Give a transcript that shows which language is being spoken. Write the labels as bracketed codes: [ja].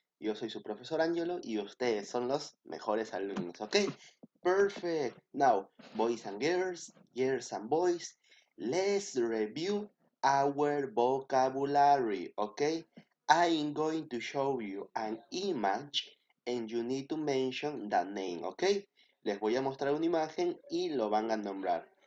[es] Yo soy su profesor Angelo y ustedes son los mejores alumnos, okay? [en] Perfect. Now, boys and girls, girls and boys, let's review our vocabulary, okay? I'm going to show you an image and you need to mention the name, ¿ok? [es] Les voy a mostrar una imagen y lo van a nombrar.